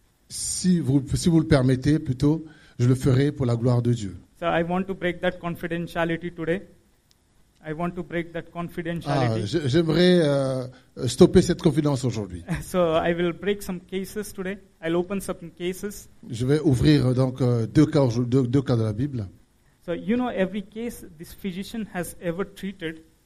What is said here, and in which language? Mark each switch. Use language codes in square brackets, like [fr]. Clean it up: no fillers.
[fr] Si vous le permettez, plutôt, je le ferai pour la gloire de Dieu. [en] So I want to break that confidentiality today. I want to break that confidentiality. [fr] Ah, j'aimerais stopper cette confidence aujourd'hui. [en] So I will break some cases today. I'll open some cases. [fr] Je vais ouvrir donc deux cas de la Bible. [en] So you know every case this physician has ever treated.